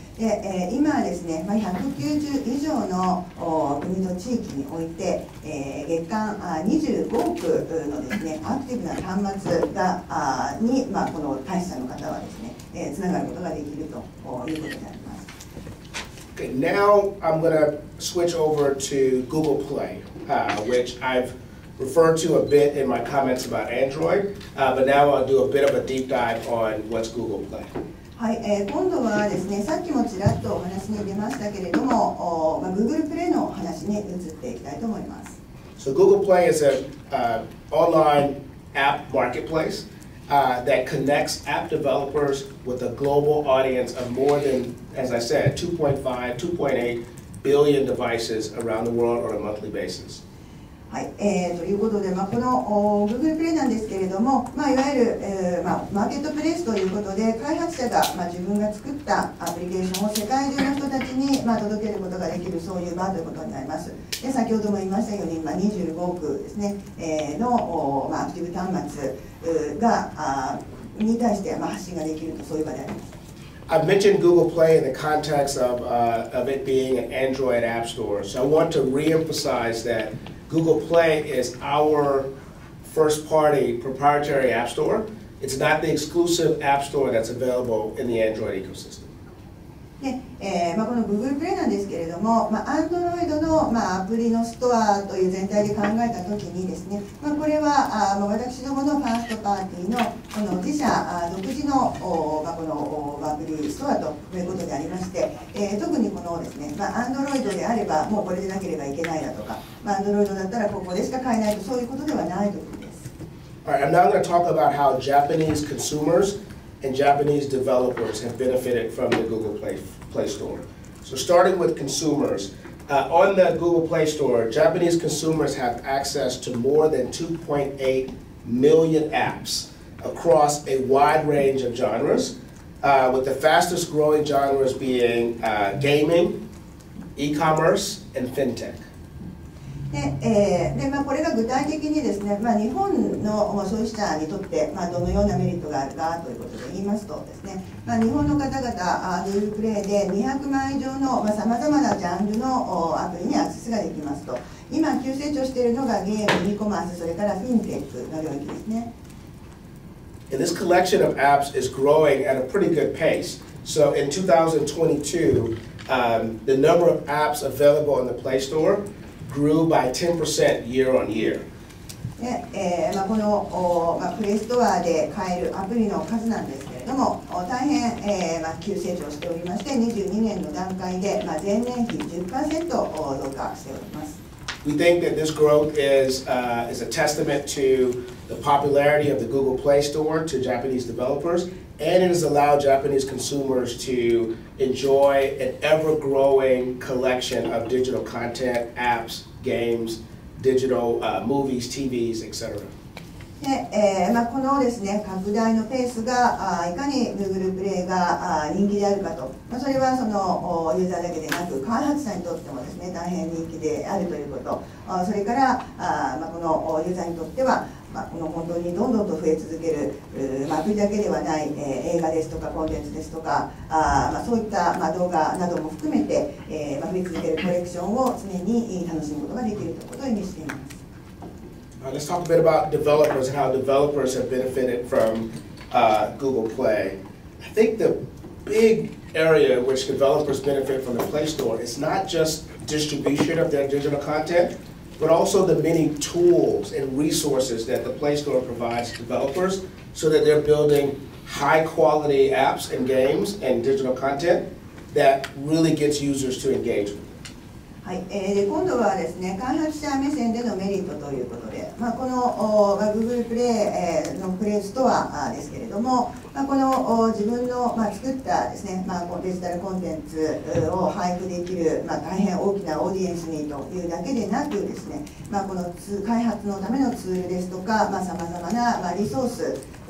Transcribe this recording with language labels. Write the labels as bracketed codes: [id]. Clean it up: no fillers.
[ja] で、今はですね、まあ、190以上の国と地域において、月間25億のですね、アクティブな端末がに、まあ、この開発者の方はですね、つながることができるということであります。 [en] Okay, now I'm going to switch over to Google Play, which I've referred to a bit in my comments about Android, but now I'll do a bit of a deep dive on what's Google Play. [ja] はい、今度はですね、さっきもちらっとお話に出ましたけれども、まあ、Google Play のお話に移っていきたいと思います。 [en] So Google Play is an online app marketplace that connects app developers with a global audience of more than, as I said, 2.5, 2.8 billion devices around the world on a monthly basis. [ja] はい、ということで、まあ、この Google Play なんですけれども、まあ、いわゆる、まあ、マーケットプレイスということで、開発者が、まあ、自分が作ったアプリケーションを世界中の人たちに、まあ、届けることができる、そういう場ということになります。で、先ほども言いましたように、まあ、25億ですね、の、まあ、アクティブ端末が、に対して、まあ、発信ができると、そういう場であります。 [en] I've mentioned Google Play in the context of it being an Android app store, so I want to reemphasize thatGoogle Play is our first party proprietary app store. It's not the exclusive app store that's available in the Android ecosystem. [ja] この Google Play なんですけれども、まあ、Android の、まあ、アプリのストアという全体で考えたときにですね、まあ、これは私どものファーストパーティーの、この自社独自の、まあ、このアプリストアということでありまして、特にこのですね、まあ、Android であれば、もうこれでなければいけないだとか、まあ、Android だったらここでしか買えないと、そういうことではないということです。 [en] All right, I'm now going to talk about how Japanese consumers and Japanese developers have benefited from the Google Play Store. So starting with consumers, on the Google Play Store, Japanese consumers have access to more than 2.8 million apps across a wide range of genres, with the fastest growing genres being gaming, e-commerce, and fintech. [ja] でまあ、これが具体的にですね、まあ、日本の消費者にとって、まあ、どのようなメリットがあるかということで言いますとですね、まあ、日本の方々、Google Play で200万以上のさまざまなジャンルのアプリにアクセスができますと、今急成長しているのがゲーム、e コマース、それからフィンテックの領域ですね。 [en] And this collection of apps is growing at a pretty good pace. So in 2022, the number of apps available on the Play Storegrew by 10% year on year. [ja] この、まあ、プレストアで買えるアプリの数なんですけれども、大変、まあ、急成長しておりまして、22年の段階で、まあ、前年比 10% 増加しております。 [en] We think that this growth is a testament to the popularity of the Google Play Store to Japanese developers, and it has allowed Japanese consumers to enjoy an ever-growing collection of digital content, apps, games, digital movies, TVs, etc. [ja] まあ、このですね、拡大のペースがいかに Google Play が人気であるかと、まあ、それはそのユーザーだけでなく開発者にとってもですね、大変人気であるということ、それから、まあ、このユーザーにとっては、まあ、この本当にどんどんと増え続けるアプリだけではない、映画ですとかコンテンツですとか、まあ、そういった、まあ、動画なども含めて、まあ、増え続けるコレクションを常に楽しむことができるということを意味しています。 [en] Let's talk a bit about developers and how developers have benefited from Google Play. I think the big area in which developers benefit from the Play Store is not just distribution of their digital content, but also the many tools and resources that the Play Store provides developers so that they're building high quality apps and games and digital content that really gets users to engage with. [ja] はい、で今度はですね、開発者目線でのメリットということで、まあ、この Google Play のプレイストアですけれども、まあ、この自分の、まあ、作ったですね、まあ、デジタルコンテンツを配布できる、まあ、大変大きなオーディエンスにというだけでなくですね、まあ、この開発のためのツールですとか、まあ、様々な、まあ、リソース、